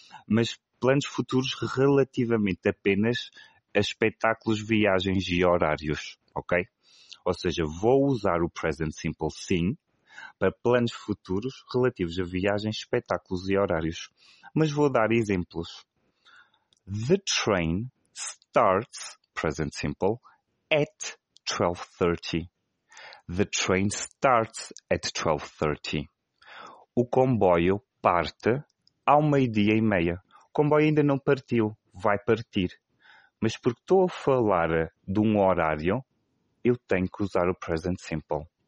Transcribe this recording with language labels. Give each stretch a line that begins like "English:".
Portuguese: Mas planos futuros relativamente apenas a espetáculos, viagens e horários, ok? Ou seja, vou usar o present simple, sim, para planos futuros relativos a viagens, espetáculos e horários. Mas vou dar exemplos.
English: The train starts, present simple, at 12:30. The train starts at 12:30.
Portuguese: O comboio parte ao meio-dia e meia. O comboio ainda não partiu, vai partir. Mas porque estou a falar de um horário, eu tenho que usar o present simple.